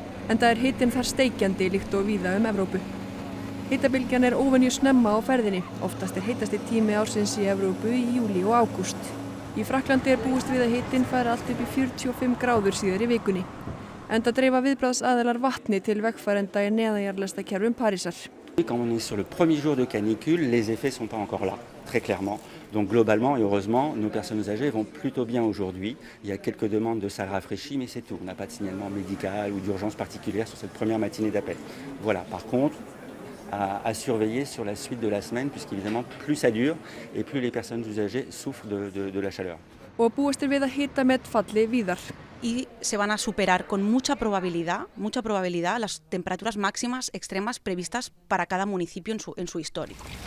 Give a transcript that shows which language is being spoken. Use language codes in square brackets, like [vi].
[is] En það hitinn þar steikjandi líkt og víða Evrópu. Hitabylgjan óvenju snemma á ferðinni, oftast heitasti tími ársins í Evrópu í júlí og ágúst. Í Frakklandi búist við að hitinn fari allt upp í 45 gráður síðar í vikunni. En það dreifa viðbragðsaðilar vatni til vegfarenda í neðanjarðlægsta kerfum Parísar. [fr] Quand on est sur le premier jour de canicule, les effets sont pas encore là, très clairement. Donc globalement et heureusement, nos personnes âgées vont plutôt bien aujourd'hui. Il y a quelques demandes de salles rafraîchies, mais c'est tout. On n'a pas de signalement médical ou d'urgence particulière sur cette première matinée d'appel. Voilà, par contre, à surveiller sur la suite de la semaine, puisqu'évidemment, plus ça dure et plus les personnes usagées souffrent de la chaleur. [is] Og búastir við að hita met falli víðar. [es] Y se van a superar con mucha probabilidad las temperaturas máximas extremas previstas para cada municipio en su histórico.